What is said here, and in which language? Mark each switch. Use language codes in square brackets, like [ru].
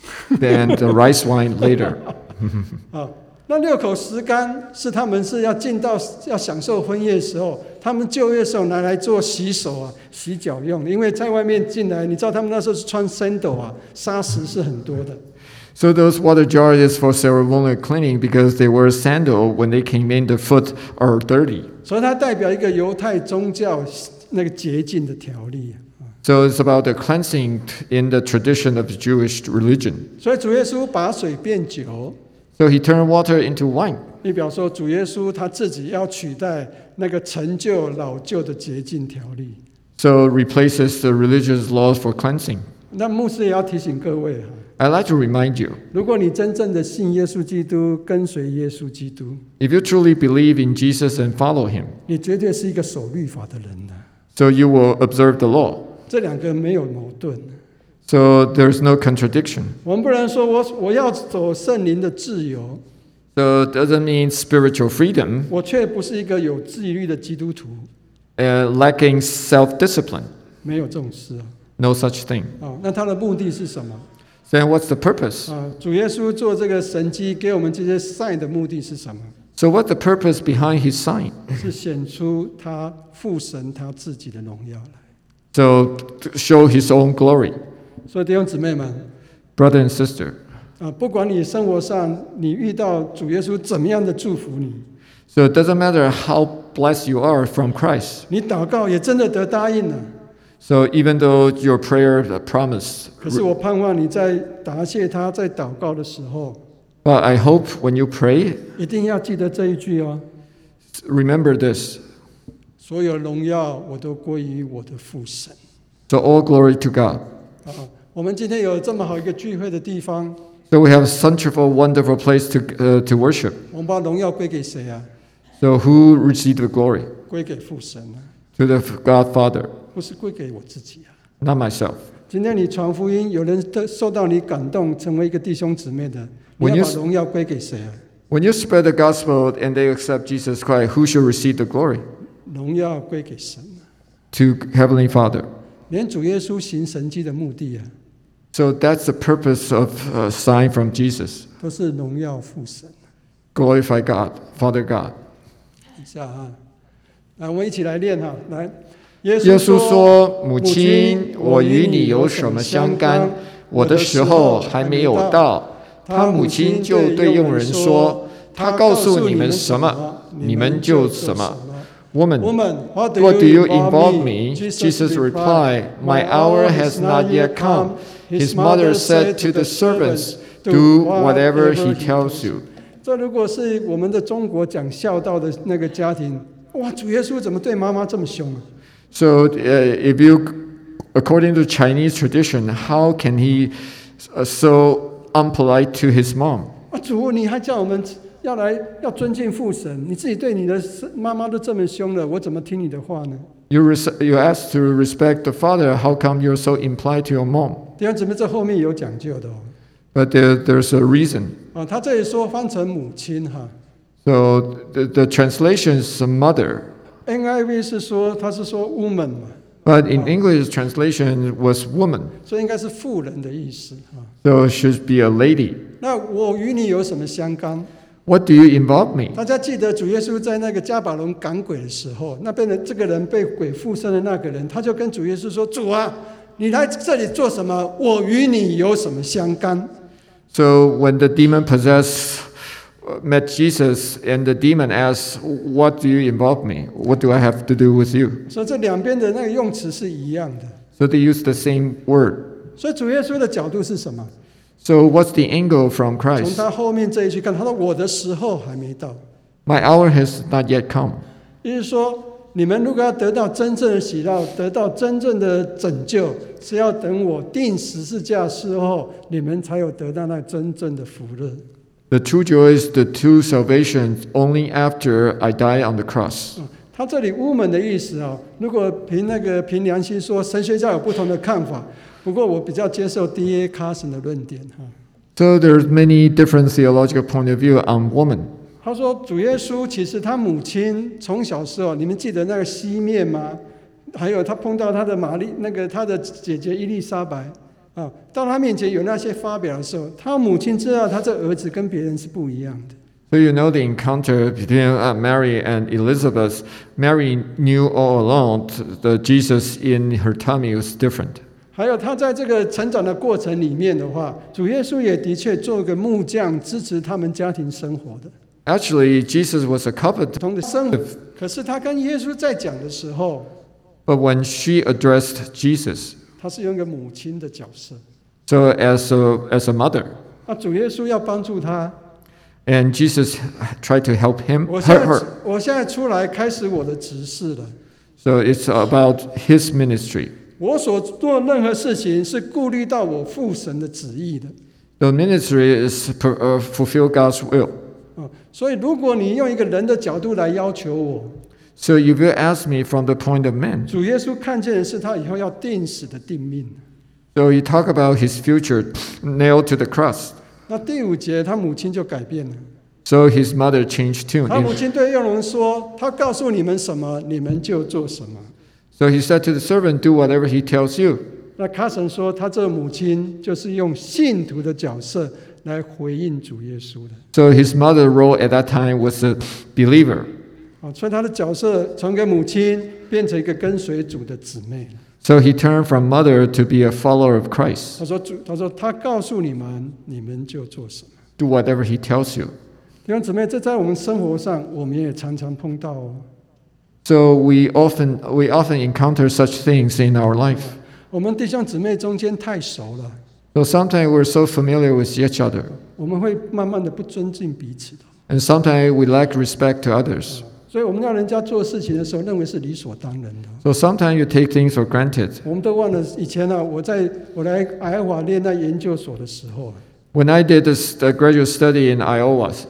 [en] Then the rice wine later. [zh] 那六口食甘是他们是要进到要享受婚宴的时候，他们旧约时候拿来做洗手啊、洗脚用，因为在外面进来，你知道他们那时候是穿 sandal 啊，沙石是很多的。 [en] So those water jars is for ceremonial cleaning because they wear sandal when they came in. The foot are dirty. So it [zh] 代表一个犹太宗教那个洁净的条例。 [en] So it's about the cleansing in the tradition of the Jewish religion. [zh] 所以主耶稣把水变酒。 [en] So he turned water into wine. [zh] 代表说主耶稣他自己要取代那个陈旧老旧的洁净条例。 [en] So it replaces the religious laws for cleansing. [zh] 那牧师也要提醒各位。 [en] I'd like to remind you. [zh] 如果你真正的信耶稣基督，跟随耶稣基督 [en] ，If you truly believe in Jesus and follow Him, [zh] 你绝对是一个守律法的人的。 [en] So you will observe the law. [zh] 这两个没有矛盾。 [en] So there's no contradiction. [zh] 我们不能说我要走圣灵的自由。 [en] So it doesn't mean spiritual freedom. [zh] 我却不是一个有纪律的基督徒。 [en] Lacking self-discipline. [zh] 没有这种事啊。 [en] No such thing. [zh] 那他的目的是什么？ [en] Then what's the purpose? [zh] 主耶稣做这个神迹给我们这些 sign 的目的是什么？ [en] So what's the purpose behind his sign? [zh] 是显出他父神他自己的荣耀来。 [en] So show his own glory. [zh] 所以弟兄姊妹们， [en] Brother and sister, [zh] 不管你生活上你遇到主耶稣怎么样的祝福你， [en] So it doesn't matter how blessed you are from Christ. [zh] 你祷告也真的得答应了。 [en] So even though your prayer promised, [zh] 可是我盼望你在答谢他在祷告的时候 [en] But I hope when you pray, [zh] 一定要记得这一句哦 [en] Remember this, [zh] 所有荣耀我都归于我的父神 [en] So all glory to God. [zh] 我们今天有这么好一个聚会的地方 [en] So we have such a wonderful place to worship. [zh] 我们把荣耀归给谁啊 [en] So who received the glory? [zh] 归给父神啊 [en] To the Godfather. [zh] 不是归给我自己啊 [en] ，Not myself。 [zh] 今天你传福音，有人受到你感动，成为一个弟兄姊妹的，你要把荣耀归给谁啊 [en] ？When you spread the gospel and they accept Jesus Christ, who should receive the glory？ [zh] 荣耀归给神。 [en] To Heavenly Father。 [zh] 连主耶稣行神迹的目的啊 [en] ，So that's the purpose of a sign from Jesus。 [zh] 都是荣耀父神。 [en] Glorify God, Father God。 [zh] 一下啊，来，我们一起来念哈，来。耶稣说母亲我与你有什么相干我的时候还没有到他母亲就对佣人说他告诉你们什么你们就什么 [en] Woman, what do you involve me? Jesus replied, My hour has not yet come. His mother said to the servants, Do whatever he tells you. [zh] 这如果是我们的中国讲孝道的那个家庭哇主耶稣怎么对妈妈这么凶啊 [en] So, if you, according to Chinese tradition, how can he so unpolite to his mom? [zh] 主，你还叫我们要来要尊敬父神，你自己对你的妈妈都这么凶了，我怎么听你的话呢？ [en] You ask to respect the father. How come you're so impolite to your mom? [zh] 弟兄姊妹，这后面有讲究的哦。 [en] But there's a reason. [zh] 他这里说翻成母亲哈。 [en] So the translation is mother. [zh] NIV 是说，他是说 woman 嘛。 [en] But in English translation was woman. [zh] 所以应该是妇人的意思。 [en] So should be a lady. [zh] 那我与你有什么相干 [en] ？What do you involve me？ [zh] 大家记得主耶稣在那个加百农赶鬼的时候，那边的这个人被鬼附身的那个人，他就跟主耶稣说：“主啊，你来这里做什么？我与你有什么相干 [en] ？”So when the demon possessed met Jesus and the demon asked, What do you involve me? What do I have to do with you? [zh] So, 这两边的那个用词是一样的。 [en] So, they use the same word. [zh] 所以主耶稣的角度是什么？ [en] So what's the angle from Christ? [zh] 从他后面这一句看，他说我的时候还没到。 [en] My hour has not yet come. [zh] 意思说，你们如果要得到真正的喜乐，得到真正的拯救，是要等我钉十字架的时候，你们才有得到那真正的福乐。 [en] The true joy is the true salvation only after I die on the cross. [zh] 他这里 woman 的意思啊，如果凭那个凭良心说，神学家有不同的看法。不过我比较接受 D.A. Carson 的论点。 [en] So there are many different theological point of view on woman. [zh] 他说主耶稣其实他母亲从小时候，你们记得那个西面吗？还有他碰到他的玛丽，那个他的姐姐伊丽莎白。到他面前有那些发表的时候，他母亲知道他这儿子跟别人是不一样的。 [en] So you know the encounter between Mary and Elizabeth. Mary knew all along that Jesus in her tummy was different. [zh] 还有他在这个成长的过程里面的话，主耶稣也的确做个木匠，支持他们家庭生活的。 [en] Actually, Jesus was a carpenter. [zh] 同的生活，可是他跟耶稣在讲的时候 [en] ，But when she addressed Jesus. [zh] 他是用一个母亲的角色。 [en] So as a mother. [zh] 那主耶稣要帮助他。 [en] And Jesus tried to help him. [zh] 我现在出来开始我的职事了。 [en] So it's about his ministry. [zh] 我所做任何事情是顾虑到我父神的旨意的。 [en] The ministry is fulfill God's will. [zh] 所以如果你用一个人的角度来要求我。 [en] So if you will ask me from the point of man. [zh] 主耶稣看见的是他以后要钉死的定命。 [en] So you talk about his future nailed to the cross. [zh] 那第五节他母亲就改变了。 [en] So his mother changed tune. [zh] 他母亲对佣人说，他告诉你们什么，你们就做什么。 [en] So he said to the servant, do whatever he tells you. [zh] 那卡神说，他这母亲就是用信徒的角色来回应主耶稣的。 [en] So his mother's role at that time was a believer. [zh] 所以他的角色从一个母亲变成一个跟随主的姊妹。 [en] So he turned from mother to be a follower of Christ. [zh] 他说他告诉你们，你们就做什么。 [en] Do whatever he tells you. [zh] 弟兄姊妹，这在我们生活上，我们也常常碰到哦。 [en] So we often encounter such things in our life. [zh] 我们弟兄姊妹中间太熟了。 [en] So sometimes we're so familiar with each other. [zh] 我们会慢慢的不尊敬彼此的。 [en] And sometimes we lack respect to others. [zh] 所以我们要人家做事情的时候，认为是理所当然的。 [en] So sometimes you take things for granted. [zh] 我们都忘了以前啊，我来爱华念那研究所的时候。 [en] When I did the graduate study in Iowa.